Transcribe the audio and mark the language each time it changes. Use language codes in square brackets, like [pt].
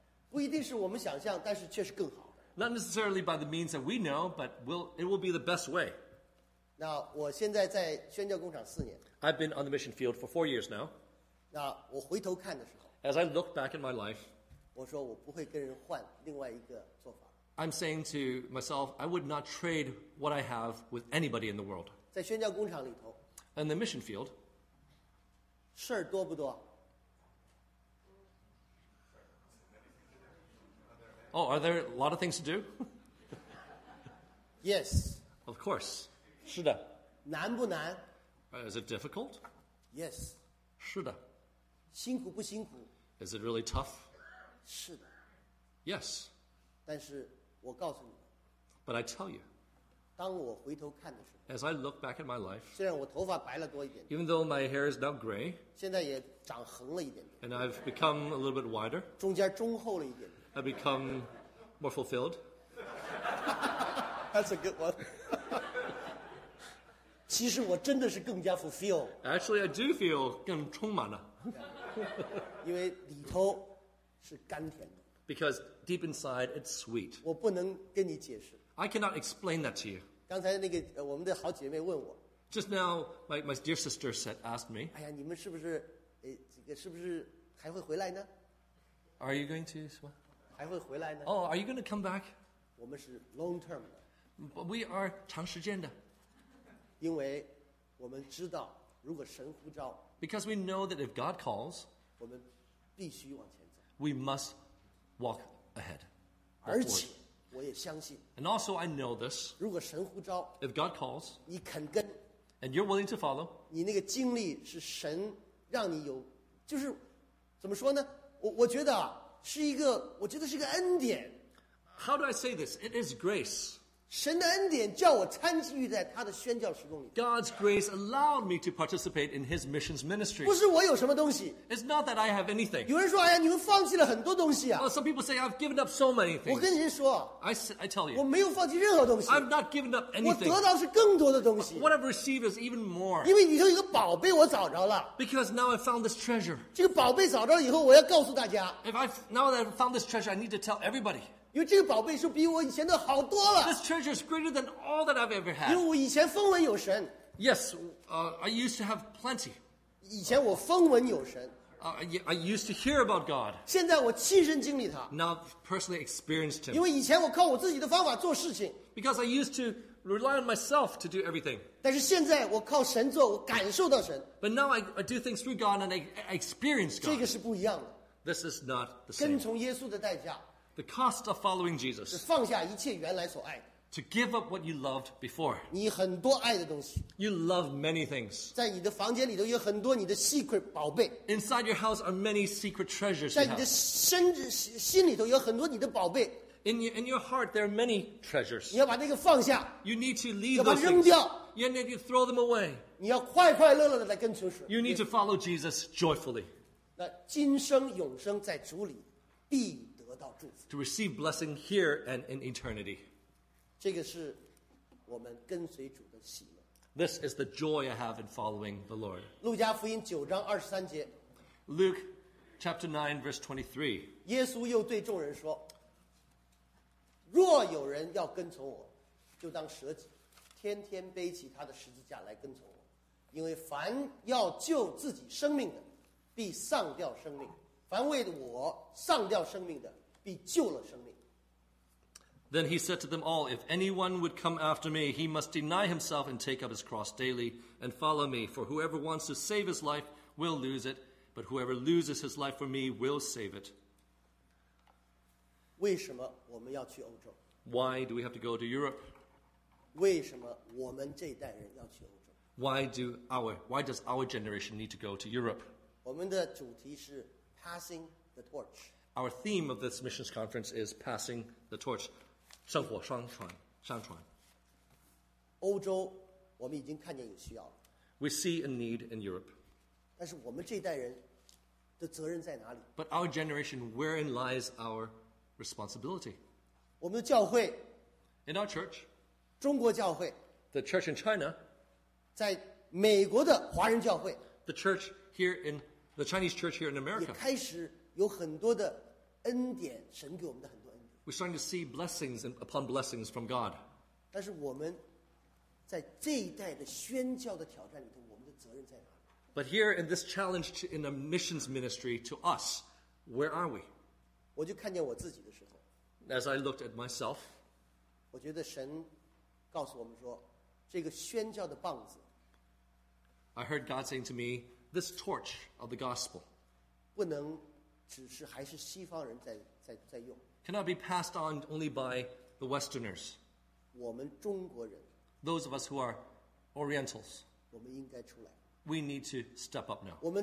[zh] 不一定是我们想象，但是却是更好的。 [en] Not necessarily by the means that we know, but it will be the best way. [zh] 那我现在在宣教工厂四年。 [en] I've been on the mission field for 4 years now. [zh] 那我回头看的时候。 [en] As I look back at my life, [zh] 我说我不会跟人换另外一个做法。 [en] I'm saying to myself, I would not trade what I have with anybody in the world. [zh] 在宣教工厂里头。 [en] In the mission field. [zh] 事儿多不多？ [en] Oh, are there a lot of things to do? Yes. Of course. [zh] 是的。难不难？ [en] Is it difficult? Yes. [zh] 是的。辛苦不辛苦？ [en] Is it really tough? [zh] 是的。 [en] Yes. [zh] 但是我告诉你。 [en] But I tell you. [zh] 当我回头看的时候。 [en] As I look back at my life. [zh] 虽然我头发白了多一点。 [en] Even though my hair is now gray. [zh] 现在也长横了一点点。 [en] And I've become a little bit wider. [zh] 中间中厚了一点点。 [en] I've become more fulfilled. That's a good one. [zh] 其实我真的是更加 [en] fulfilled. Actually, I do feel [zh] 更充满了。因为里头是甘甜的。 [en] Because deep inside it's sweet. [zh] 我不能跟你解释。 [en] I cannot explain that to you. [zh] 刚才那个我们的好姐妹问我。 Just now, my dear sister asked me. 哎呀，你们是不是这个是不是还会回来呢 [en] ？Are you going to [zh] 什么？还会回来呢 [en] ？Oh, are you going to come back? [zh] 我们是 [en] long term [zh] 的。 [en] But we are [zh] 长时间的。因为我们知道，如果神呼召。 [en] Because we know that if God calls, [zh] 我们必须往前走。 [en] We must walk ahead. [zh] 而且我也相信。 [en] And also I know this. [zh] 如果神呼召， [en] if God calls, [zh] 你肯跟， [en] and you're willing to follow, [zh] 你那个经历是神让你有，就是怎么说呢？我觉得啊，是一个，我觉得是个恩典。 [en] How do I say this? It is grace. [zh] 神的恩典叫我参与在他的宣教事工里。 [en] God's grace allowed me to participate in His missions ministry. [zh] 不是我有什么东西。 [en] It's not that I have anything. [zh] 有人说，哎呀，你们放弃了很多东西啊。 [en] Well, some people say I've given up so many things. [zh] 我跟您说 [en] ，I tell you, [zh] 我没有放弃任何东西。 [en] I've not given up anything. [zh] 我得到是更多的东西。 [en] What I've received is even more. [zh] 因为里头一个宝贝我找着了。 [en] Because now I found this treasure. [zh] 这个宝贝找着以后，我要告诉大家。 [en] Now that I've found this treasure, I need to tell everybody. [zh] 因为这个宝贝是比我以前的好多了。 [en] This treasure is greater than all that I've ever had. [zh] 因为我以前风闻有神。 [en] Yes, I used to have plenty. [zh] 以前我风闻有神。 [en] I used to hear about God. [zh] 现在我亲身经历他。 [en] Now personally experienced him. [zh] 因为以前我靠我自己的方法做事情。 [en] Because I used to rely on myself to do everything. [zh] 但是现在我靠神做，我感受到神。 [en] But now I do things through God and I experience God. [zh] 这个是不一样的。 [en] This is not the same. [zh] 跟从耶稣的代价。 [en] The cost of following Jesus. [zh] 放下一切原来所爱的。 [en] To give up what you loved before. [zh] 你很多爱的东西。 [en] You love many things. [zh] 在你的房间里头有很多你的 secret 宝贝。 [en] Inside your house are many secret treasures. [zh] 在你的心里头有很多你的宝贝。 [en] In your heart there are many treasures. [zh] 你要把那个放下。 [en] You need to leave those things. [zh] 要把扔掉。 [en] You need to throw them away. [zh] 你要快快乐乐的来跟随主。 [en] You need to follow Jesus joyfully. [zh] 那今生永生在主里必。 [en] To receive blessing here and in eternity. [zh] 这个是我们跟随主的喜乐。 [en] This is the joy I have in following the Lord. [zh] 路加福音九章二十三节。 [en] Luke chapter 9 verse 23. [zh] 耶稣又对众人说：若有人要跟从我，就当舍己，天天背起他的十字架来跟从我。因为凡要救自己生命的，必丧掉生命。凡为我丧掉生命的，必救了生命。 [en] Then he said to them all, If anyone would come after me, he must deny himself and take up his cross daily and follow me. For whoever wants to save his life will lose it, But whoever loses his life for me will save it. [zh] 为什么我们要去欧洲? [en] Why do we have to go to Europe? [zh] 为什么我们这一代人要去欧洲? [en] Why does our generation need to go to Europe? [zh] 我们的主题是 [en] passing the torch. Our theme of this missions conference is passing the torch. [zh] 圣火双传,上传。欧洲,我们已经看见有需要了。 [en] We see a need in Europe. [zh] 但是我们这一代人的责任在哪里? [en] But our generation, wherein lies our responsibility? [zh] 我们的教会, [en] in our church, [zh] 中国教会, [en] the church in China, [zh] 在美国的华人教会, [en] the church here in the Chinese church here in America, [zh] 也开始有很多的恩典, 神给我们的很多恩典。 [en] We're starting to see blessings upon blessings from God. [zh] 但是我们在这一代的宣教的挑战里头，我们的责任在哪里？ [en] But here in this challenge to, in a missions ministry to us, where are we? [zh] 我就看见我自己的时候。 [en] As I looked at myself, [zh] 我觉得神告诉我们说，这个宣教的棒子。 [en] I heard God saying to me, this torch of the gospel, [zh] 不能只是还是西方人在用。 [en] Cannot be passed on only by the Westerners. [zh] 我们中国人。 [en] Those of us who are Orientals, we need to step up now.